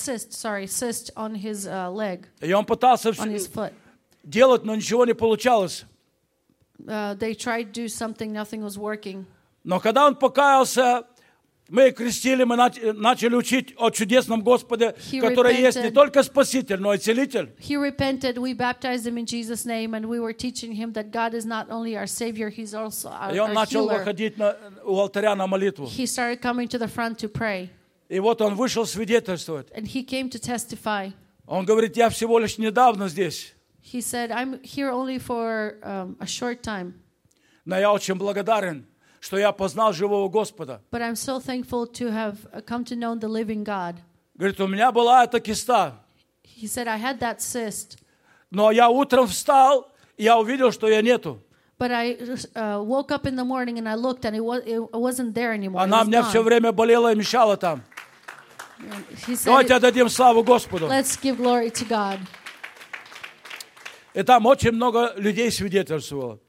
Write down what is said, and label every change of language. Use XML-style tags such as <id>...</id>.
<en>a cyst on his leg.</en> <ru>И он пытался все делать, но ничего не получалось.</ru> <en>They tried to do something, nothing was working.</en> <ru>Но когда он покаялся, мы крестили, мы начали учить о чудесном Господе,</ru> <en>he</en> <ru>который</ru> <en>repented.</en> <ru>Есть не только Спаситель, но и Целитель.</ru> <en>He repented, we baptized him in Jesus' name, and we were teaching him that God is not only our Savior, he's also our healer.</en> <ru>И он начал выходить у алтаря на молитву.</ru> <en>He started coming to the front to pray.</en> <ru>И вот он вышел свидетельствовать.</ru> <en>And he came to testify.</en> <ru>Он говорит, я всего лишь недавно здесь.</ru> <en>He said, I'm here only for a short time.</en> <ru>Но я очень благодарен, что я познал живого Господа.</ru> <en>But I'm so thankful to have come to know the living God.</en> <ru>Говорит, у меня была эта киста.</ru> <en>He said, I had that cyst.</en> <ru>Но я утром встал, я увидел, что ее нету.</ru> <en>But I woke up in the morning and I looked and it wasn't there anymore.</en> <ru>Она мне все время болела и мешала там. Давайте отдадим славу Господу.</ru> <en>Let's give glory to God.</en> <ru>И там очень много людей свидетельствовало.</ru>